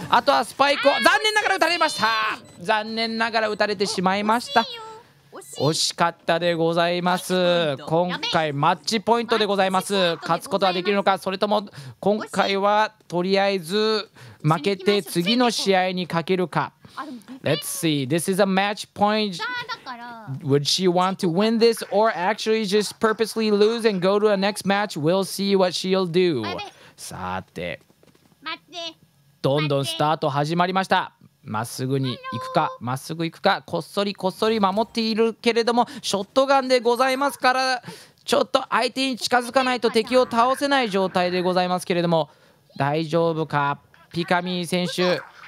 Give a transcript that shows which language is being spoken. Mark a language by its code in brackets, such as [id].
[ja] あとはスパイクを残念ながら打たれました、残念ながら打たれてしまいました。惜しかったでございます。今回マッチポイントでございます。勝つことはできるのか、それとも今回はとりあえず負けて次の試合にかけるか。 [en] Let's see. This is a match point. Would she want to win this or actually just purposely lose and go to a next match? We'll see what she'll do. [ja] さて、どんどんスタート始まりました。まっすぐに行くか、まっすぐ行くか、こっそりこっそり守っているけれどもショットガンでございますから、ちょっと相手に近づかないと敵を倒せない状態でございますけれども、大丈夫かピカミー選手。